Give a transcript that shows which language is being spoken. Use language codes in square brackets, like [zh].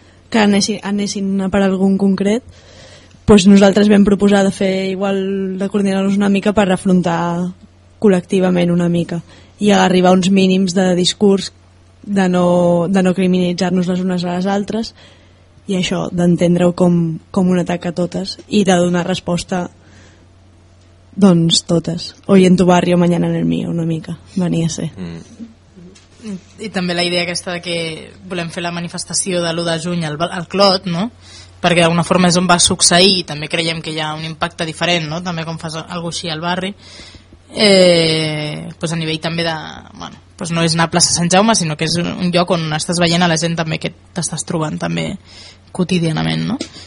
[ca] que anessin per algun concret, doncs nosaltres vam proposar de fer igual, de coordinar-nos una mica per afrontar col·lectivament una mica i arribar a uns mínims de discurs de no criminalitzar-nos les unes a les altres, i això, d'entendre-ho com un atac a totes i de donar resposta, doncs, totes. [es] Hoy en tu barrio, mañana en el mío, [ca] una mica, venia a ser. I també la idea aquesta de que volem fer la manifestació de l'1 de juny al Clot, no? Perquè d'alguna forma és on va succeir i també creiem que hi ha un impacte diferent, no? També com fas alguna cosa així al barri. Pues a nivell també de... Bueno, pues no és una plaça Sant Jaume, sinó que és un lloc on estàs veient a la gent també que t'estàs trobant també quotidianament, no?